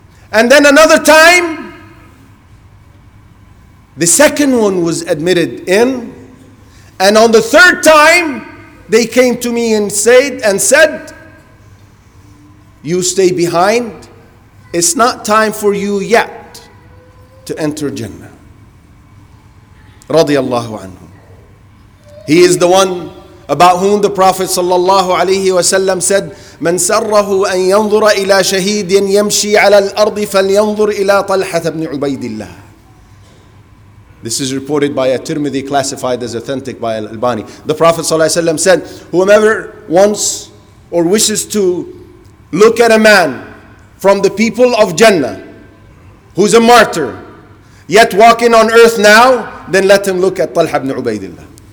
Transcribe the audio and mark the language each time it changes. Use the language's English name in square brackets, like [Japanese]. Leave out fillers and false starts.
[English] And then another time, the second one was admitted in. And on the third time, they came to me and said, you stay behind. It's not time for you yet to enter Jannah. [Arabic] Radiallahu anhu. [English] He is the one about whom the Prophet sallallahu alayhi wa sallam said, [Arabic] من سره أن ينظر إلى شهيد يمشي على الأرض فلينظر إلى طلحة بن عبيد الله. [English] This is reported by At-Tirmidhi, classified as authentic by Al-Albani. The Prophet ﷺ said, whoever wants or wishes to look at a man from the people of Jannah, who's a martyr, yet walking on earth now, then let him look at Talha ibn Ubaidillah.